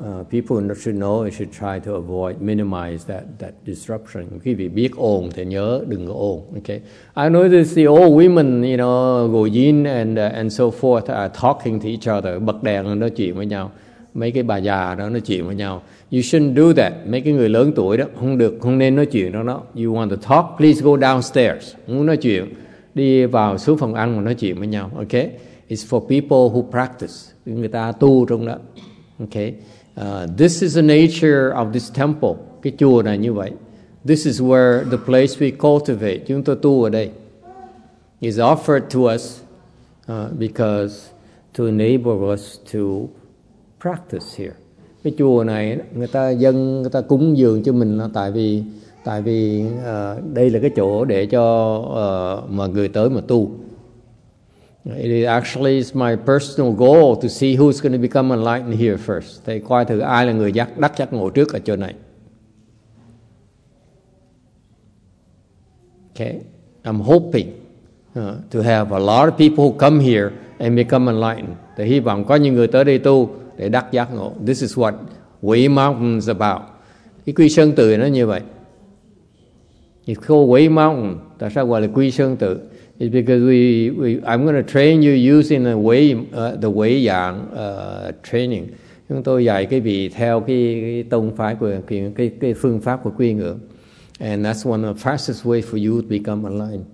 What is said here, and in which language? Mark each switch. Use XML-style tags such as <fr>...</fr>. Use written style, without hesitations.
<en>People should know, they should try to avoid, minimize that disruption.</en> <vi>Khi bị biết ồn thì nhớ đừng có ồn.</vi> <en>Okay. I notice the old women, you know, go in and so forth are talking to each other,</en> <vi>bật đèn nói chuyện với nhau. Mấy cái bà già đó nói chuyện với nhau.</vi> <en>You shouldn't do that.</en> <vi>Mấy cái người lớn tuổi đó không được, không nên nói chuyện đó.</vi> <en>You want to talk, please go downstairs.</en> <vi>Muốn nói chuyện, đi vào xuống phòng ăn mà nói chuyện với nhau.</vi> <en>Okay. It's for people who practice.</en> <vi>Người ta tu trong đó.</vi> <en>Okay. This is the nature of this temple.</en> <vi>Cái chùa này như vậy.</vi> <en>This is where the place we cultivate.</en> <vi>Chúng ta tu ở đây.</vi> <en>Is offered to us because to enable us to practice here.</en> <vi>Cái chùa này người ta dâng, người ta cúng dường cho mình là tại vì đây là cái chỗ để cho mà người tới mà tu.</vi> <en>It is actually is my personal goal to see who's going to become enlightened here first.</en> <vi>Thầy coi thử ai là người đắc giác ngộ trước ở chỗ này.</vi> <en>Okay, I'm hoping to have a lot of people who come here and become enlightened.</en> <vi>Thầy hy vọng có những người tới đây tu để đắc giác ngộ.</vi> <en>This is what Way Mountain is about.</en> <vi>Cái quy sơn tự nó như vậy.</vi> <en>It's called Way Mountain.</en> <vi>Tại sao gọi là quy sơn tự?</vi> <en>It's because I'm going to train you using the way yang training.</en> <vi>Chúng tôi dạy cái vị theo cái tông phái của cái phương pháp của quy ngưỡng.</vi> <en>And that's one of the fastest way for you to become enlightened.</en>